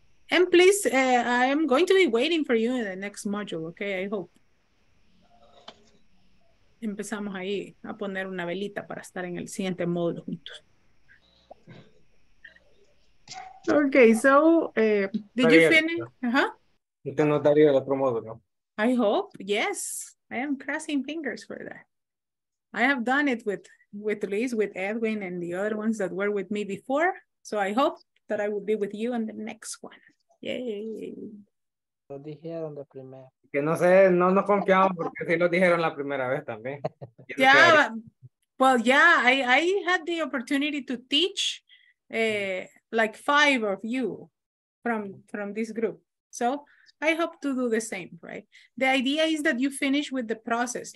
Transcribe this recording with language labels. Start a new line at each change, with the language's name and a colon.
English: And please, I am going to be waiting for you in the next module, okay? I hope.
Spanish: Empezamos ahí a poner una velita para estar en el siguiente módulo juntos.
English: Okay, so did you finish?
Spanish: Usted no daría el otro módulo.
English: I hope, yes. I am crossing fingers for that. I have done it with with Liz, with Edwin, and the other ones that were with me before. So I hope that I will be with you on the next one. Yay.
Spanish: Lo dijeron de primera. Que no sé, no nos confiamos porque sí lo dijeron la primera vez también.
English: Yeah, well, yeah, I had the opportunity to teach like five of you from this group. So I hope to do the same, right? The idea is that you finish with the process.